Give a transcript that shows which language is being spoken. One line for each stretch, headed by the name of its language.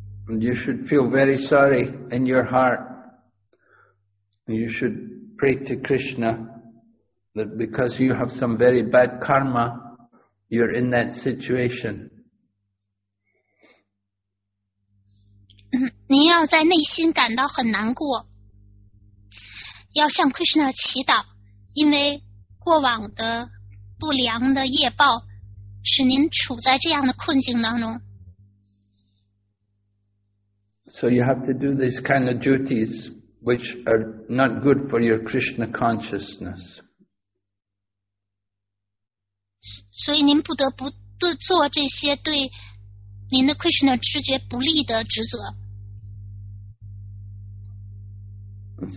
English: And you should feel very sorry in your heart. You should pray to Krishna that because you have some very bad karma, you're in that situation.
Chinese: 您要在内心感到很难过，要向 Krishna 祈祷，因为过往的不良的业报使您处在这样的困境当中。
English: So you have to do these kind of duties which are not good for your Krishna consciousness.
Chinese: 所以您不得不做这些对您的 Krishna 知觉不利的职责。